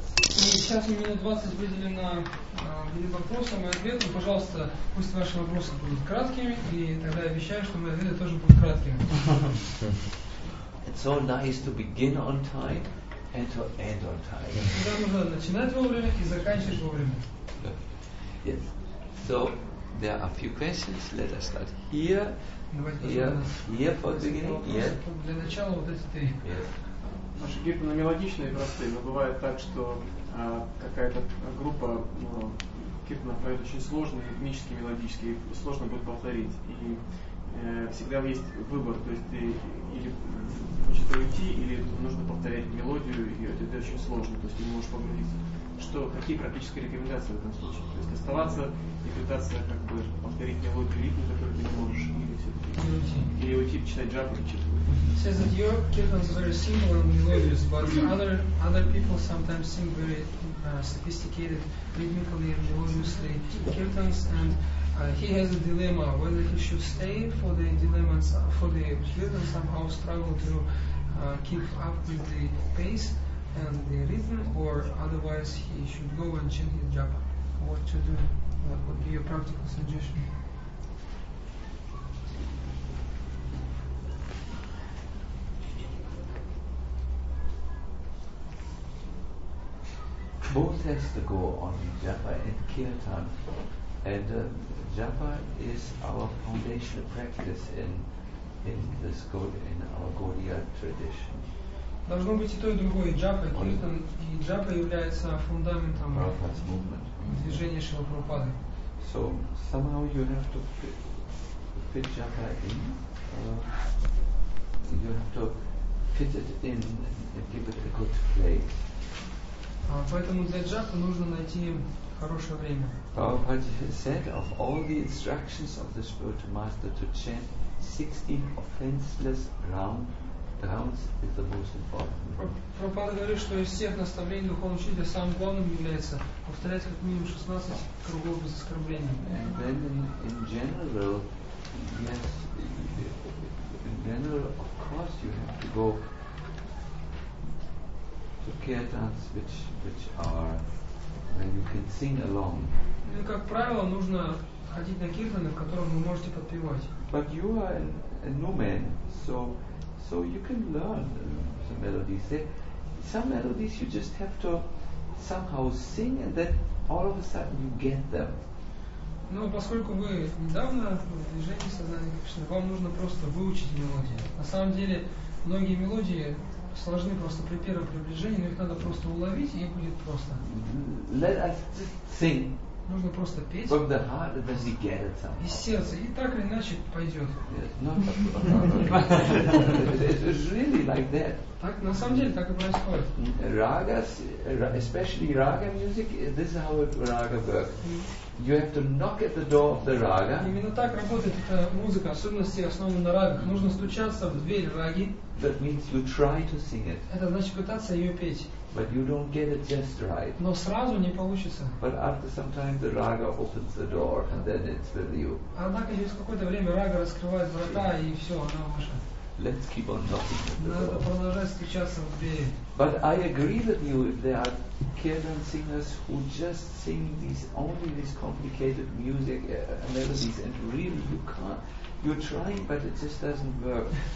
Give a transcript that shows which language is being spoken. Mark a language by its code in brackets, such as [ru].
[ru] Сейчас минут 20 выделено для вопросов и ответов. Пожалуйста, пусть ваши вопросы будут краткими, и тогда я обещаю, что мои ответы тоже будут краткими. [en] It's so nice to begin on time and to end on time. [ru] Всегда нужно начинать вовремя и заканчивать вовремя. [en] Yes. So there are a few questions. Let us start here. Here for the beginning. [ru] Для начала вот эти три. Наши гиппы мелодичные и простые, но бывает так, что какая-то группа гиппы поет очень сложные, ритмические, мелодические, сложно будет повторить. И всегда есть выбор, то есть ты или хочешь уйти, или нужно повторять мелодию, и это очень сложно, то есть ты не можешь погрузиться. Что, какие практические рекомендации в этом случае? То есть оставаться и пытаться как бы повторить мелодию ритма, который ты не можешь, или все-таки или уйти читать джапу, читать. [en] Says that your kirtan is very simple and melodious, but other people sometimes sing very sophisticated rhythmically and melodiously kirtans, and he has a dilemma whether he should stay for the dilemma for the kirtan, somehow struggle to keep up with the pace and the rhythm, or otherwise he should go and chant his japa. What to do? What would be your practical suggestion? Both has to go on japa and kirtan, and japa is our foundational practice in this god in our Gaudiya tradition. [ru] Должно быть и то и другое, джапа и киртан, и джапа является фундаментом движения Шрила Прабхупады. [en] So somehow you have to fit japa in, you have to fit it in and give it a good place. [ru] Поэтому для джапы нужно найти хорошее время. [en] Prabhupada said of all the instructions of the spiritual master to chant 16 offenseless rounds is the most important. [ru] Прабхупада говорит, что из всех наставлений духовного учителя самым главным является повторять как минимум 16 кругов без оскорбления. [en] And then in general, yes, in general, of course you have to go to kirtans which are where you can sing along. [ru] Ну, как правило, нужно ходить на киртаны, в котором вы можете подпевать. [en] But you are a new man, so you can learn some melodies. Some melodies you just have to somehow sing and then all of a sudden you get them. [ru] Но поскольку вы недавно в движении сознания Кришны, вам нужно просто выучить мелодии. На самом деле, многие мелодии сложны просто при первом приближении, но их надо просто уловить, и будет просто. [en] Let us sing. [ru] Нужно просто петь. [en] From the heart, then you get it somehow. [ru] Из сердца, и так или иначе пойдет. [en] It's really like that. [ru] Так, на самом деле, так и происходит. [en] Ragas, especially raga music, this is how raga works. You have to knock at the door of the raga. [ru] Именно так работает эта музыка, особенности основанные на рагах. Нужно стучаться в дверь раги. [en] That means you try to sing it. [ru] Это значит пытаться ее петь. [en] But you don't get it just right. [ru] Но сразу не получится. [en] But after some time the raga opens the door and then it's with you. [ru] Однако через какое-то время рага раскрывает врата, и все, она ваша. [en] Let's keep on knocking at the door. [ru] Надо продолжать стучаться в двери. [en] But I agree with you if there are kirtan singers who just sing these complicated music melodies and really you can't, you're trying but it just doesn't work.